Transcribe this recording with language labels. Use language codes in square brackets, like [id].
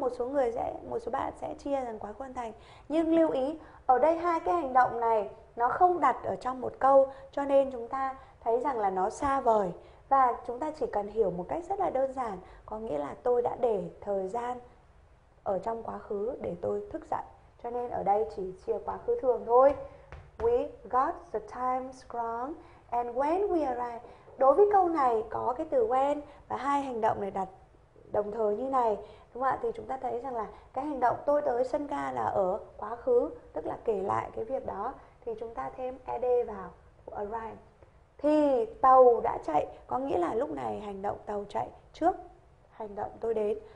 [vi] Một số bạn sẽ chia rằng quá khứ hoàn thành. Nhưng lưu ý ở đây hai cái hành động này nó không đặt ở trong một câu cho nên chúng ta thấy rằng là nó xa vời và chúng ta chỉ cần hiểu một cách rất là đơn giản, có nghĩa là tôi đã để thời gian ở trong quá khứ để tôi thức dậy. Cho nên ở đây chỉ chia quá khứ thường thôi. [en] We got the time wrong and when we arrived. [vi] Đối với câu này có cái từ when và hai hành động này đặt đồng thời như này, đúng không ạ? Thì chúng ta thấy rằng là cái hành động tôi tới sân ga là ở quá khứ, tức là kể lại cái việc đó, thì chúng ta thêm ed vào arrive. Thì tàu đã chạy, có nghĩa là lúc này hành động tàu chạy trước hành động tôi đến.